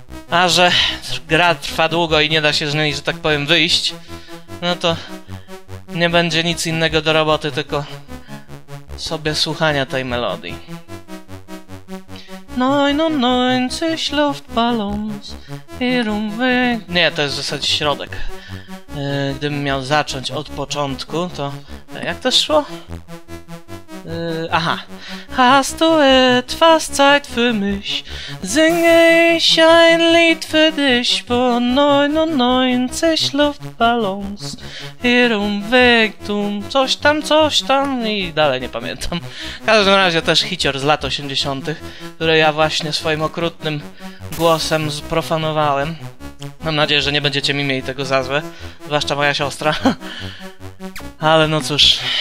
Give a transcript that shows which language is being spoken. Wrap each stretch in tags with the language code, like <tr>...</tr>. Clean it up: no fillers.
<pl>A że gra trwa długo i nie da się z niej, że tak powiem, wyjść, no to nie będzie nic innego do roboty, tylko sobie słuchania tej melodii. 99 Luftballons i rumwy... Nie, to jest w zasadzie środek. Gdybym miał zacząć od początku, to... jak to szło? Aha.</pl> <de>Hast du etwas Zeit für mich? Singe ich ein Lied für dich po 99 Luftballons hier umwegtum.</de> <pl>Coś tam i dalej nie pamiętam. W każdym razie też hicior z lat 80., który ja właśnie swoim okrutnym głosem sprofanowałem. Mam nadzieję, że nie będziecie mi mieli tego za złe, zwłaszcza moja siostra. Ale no cóż...</pl>